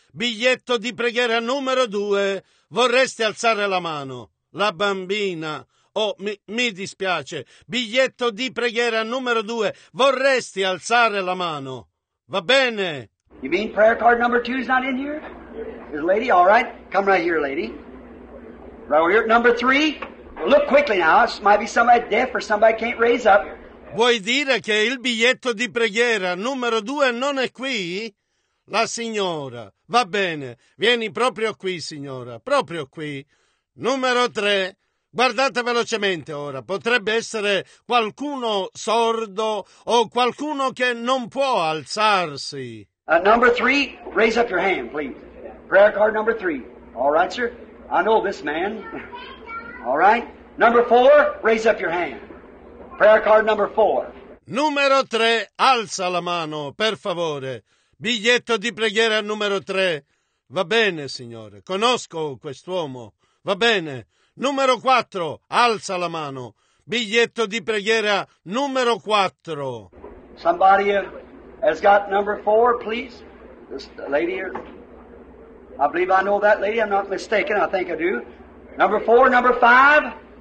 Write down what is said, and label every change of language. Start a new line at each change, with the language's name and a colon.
Italian: Biglietto di preghiera numero due. Vorresti alzare la mano? La bambina. Oh, mi dispiace. Biglietto di preghiera numero due. Vorresti alzare la mano? Va bene.
English: You mean prayer card number two is not in here? Is lady, all right. Come right here, lady. Right over here. Number three. Look quickly now. It might be somebody deaf or somebody can't raise up.
Italian: Vuoi dire che il biglietto di preghiera numero due non è qui? La signora. Va bene. Vieni proprio qui, signora. Proprio qui. Numero tre. Guardate velocemente ora, potrebbe essere qualcuno sordo o qualcuno che non può alzarsi.
English: Number three, raise up your hand, please. Prayer card number three. All right, sir. I know this man. All right. Number four, raise up your hand. Prayer card number four.
Italian: Numero tre, alza la mano, per favore. Biglietto di preghiera numero tre. Va bene, signore. Conosco quest'uomo. Va bene. Numero 4, alza la mano. Biglietto di preghiera numero 4.
English: Somebody has got number 4, please. This lady here. I believe I know that lady. I'm not mistaken. I think I do. Number 4, number 5.